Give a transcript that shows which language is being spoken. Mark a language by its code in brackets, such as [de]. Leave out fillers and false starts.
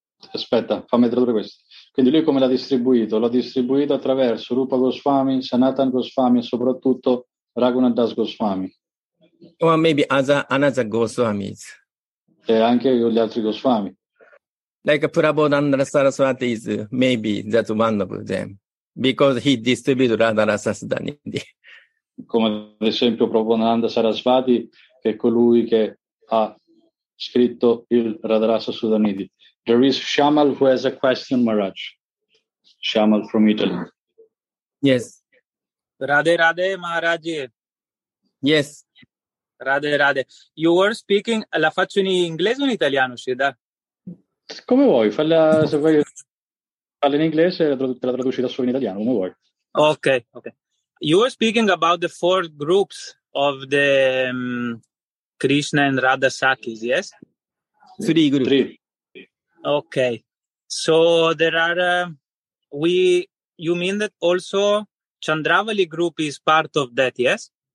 [it] Aspetta, fammi tradurre questo. Quindi lui come l'ha distribuito? L'ha distribuito attraverso Rupa Goswami, Sanatana Goswami e soprattutto Raghunatha Das Goswami. [en] Or maybe another Goswamis. [it] E anche gli altri Goswami. [en] Like Prabodhananda Saraswati is maybe that's one of them. Because he distributed Radha Rasa Sudanidhi. [it] Come ad esempio Prabhupada Sarasvati, che è colui che ha scritto il Radha Rasa Sudanidhi. [en] There is Shamal who has a question, Maharaj. Shamal from Italy. Yes. Radhe Radhe Maharaji. Yes. Radhe Radhe. You were speaking, [it] la faccio in inglese o in italiano, Sridhar? Come vuoi, falla se vuoi. Parla in inglese e te la traduci da solo in italiano, come vuoi. Ok, ok. [en] You were speaking about the four groups of the Krishna and Radha Sakis, yes? Three groups. Three. Ok. So there are, you mean that also Chandravali group is part of that, yes?